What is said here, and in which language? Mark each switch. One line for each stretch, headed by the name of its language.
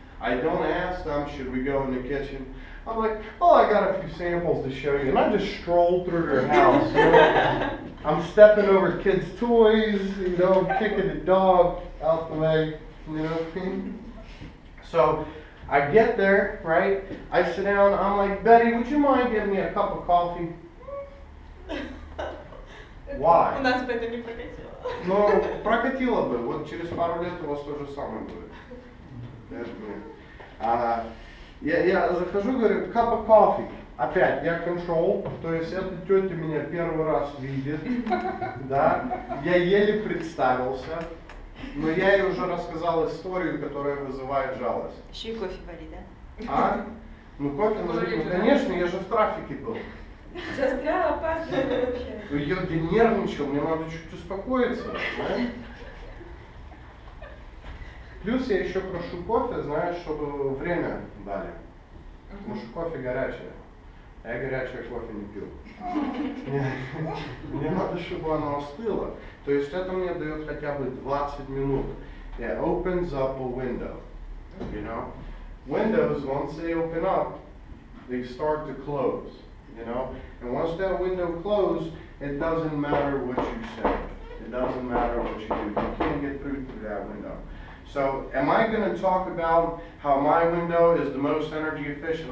English: I don't ask them, should we go in the kitchen? I'm like, oh, I got a few samples to show you. And I just stroll through their house. You know? I'm stepping over kids' toys, you know, kicking the dog out the way, you know what I mean? So I get there, right? I sit down. I'm like, Betty, would you mind giving me a cup of coffee? Why?
Russian: У нас бы это не прокатило. Ну, прокатило бы. Вот через пару лет у вас то же самое будет. Я захожу, говорю,
English: cup of coffee.
Russian: Опять, я control. То есть эта тетя меня первый раз видит. Да? Я еле представился. Но я ей уже рассказал историю, которая вызывает жалость. Еще и кофе болит, да? А? Ну кофе, ну конечно, я же в трафике был. Застрял, опасно вообще. Я нервничал, мне надо чуть успокоиться. Да? Плюс я еще прошу кофе, знаешь, чтобы время дали. Потому что кофе горячее. А я горячее кофе не пью. Мне надо, чтобы оно остыло. То есть это мне дает хотя бы 20 минут.
English: It opens up a window, you know. Windows, once they open up, they start to close, you know. And once that window closes, it doesn't matter what you say. It doesn't matter what you do. You can't get through that window. So am I going to talk about how my window is the most energy efficient?